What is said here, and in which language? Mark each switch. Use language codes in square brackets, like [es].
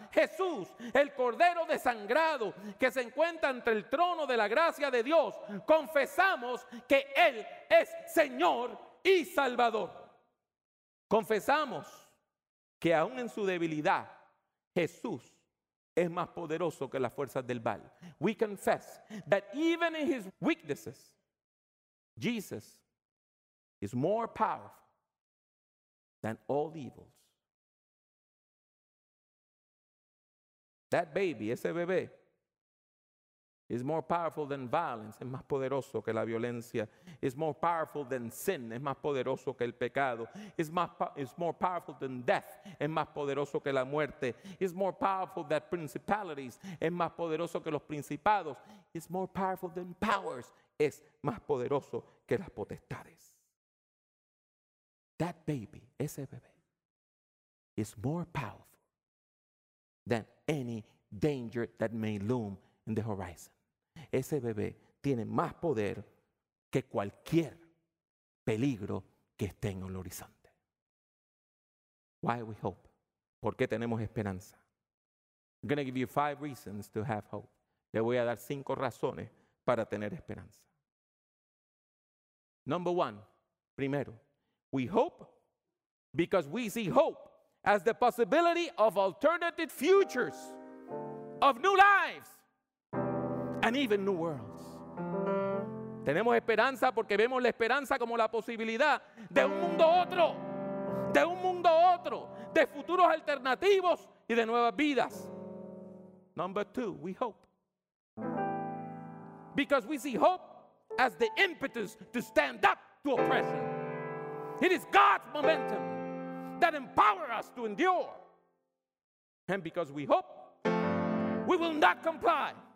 [es] Jesús, el cordero desangrado que se encuentra entre el trono de la gracia de Dios. Confesamos que Él es Señor y Salvador. Confesamos que aún en su debilidad, Jesús es más poderoso que las fuerzas del mal. [en] We confess that even in his weaknesses, Jesus is more powerful than all evils. That baby, [es] ese bebé, [en] is more powerful than violence, [es] es más poderoso que la violencia, [en] is more powerful than sin, [es] es más poderoso que el pecado, [en] is more powerful than death, [es] es más poderoso que la muerte, [en] is more powerful than principalities, [es] es más poderoso que los principados, [en] is more powerful than powers, [es] es más poderoso que las potestades. [en] That baby, [es] ese bebé, [en] is more powerful than any danger that may loom in the horizon. [es] Ese bebé tiene más poder que cualquier peligro que esté en el horizonte. [en] Why we hope? [es] ¿Por qué tenemos esperanza? [en] I'm going to give you 5 reasons to have hope. [es] Le voy a dar 5 razones para tener esperanza. [en] Number 1, [es] primero, [en] we hope because we see hope as the possibility of alternative futures, of new lives, and even new worlds. [es] Tenemos esperanza porque vemos la esperanza como la posibilidad de un mundo otro, de un mundo otro, de futuros alternativos y de nuevas vidas. [en] Number two, we hope. Because we see hope as the impetus to stand up to oppression. It is God's momentum that empowers us to endure. And because we hope, we will not comply.